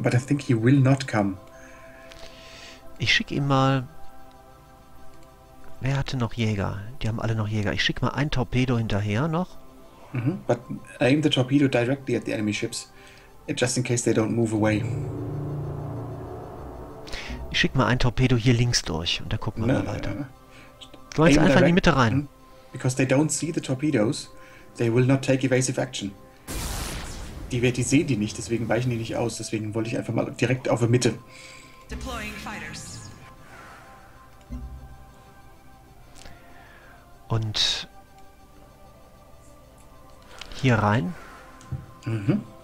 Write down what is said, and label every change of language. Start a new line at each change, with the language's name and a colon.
English: But I think he will not come.
German: Ich schicke ihm mal... Wer hatte noch Jäger? Die haben alle noch Jäger. Ich schicke mal ein Torpedo hinterher noch. Mm-hmm.
English: But aim the torpedo directly at the enemy ships. Just in case they don't move away.
German: Ich schicke mal ein Torpedo hier links durch. Und dann gucken wir mal weiter. Du wolltest einfach in die Mitte rein.
English: Because they don't see the torpedoes, they will not take evasive action.
German: Die sehen die nicht, deswegen weichen die nicht aus. Deswegen wollte ich einfach mal direkt auf der Mitte.
English: Deploying fighters.
German: Und hier rein. Mhm.